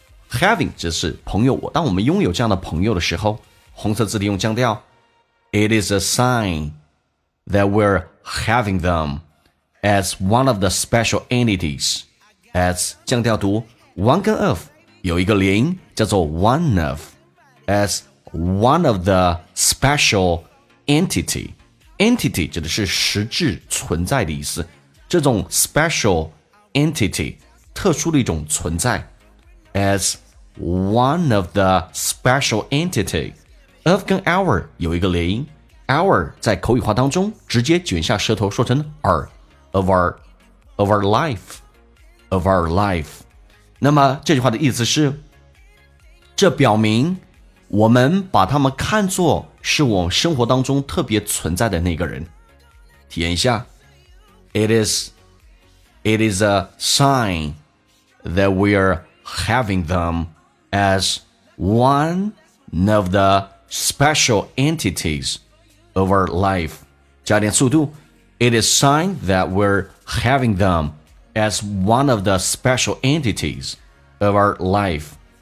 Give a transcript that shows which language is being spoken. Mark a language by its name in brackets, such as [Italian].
[Chinese] Having 就是朋友，当我们拥有这样的朋友的时候，红色字体用降调。 [English] It is a sign that we're having them as one of the special entities. [Chinese] As 降调读 one 跟 of 有一个连音叫做 one of. [English] As one of the special entity. [Chinese] Entity 指的是实质存在的意思，这种 [English] special entity [Chinese] 特殊的一种存在。 [English] As one of the special entity， [Chinese] of 跟 our 有一个连音， our 在口语化当中直接卷下舌头说成 our， [English] of our life。 [Chinese] 那么这句话的意思是，这表明我们把他们看作是我生活当中特别存在的那个人。体验一下。 [English] It is a sign that we are having them as one of the special entities of our life. [Chinese] 加点速度。 [English] It is a sign that we're having them as one of the special entities of our life.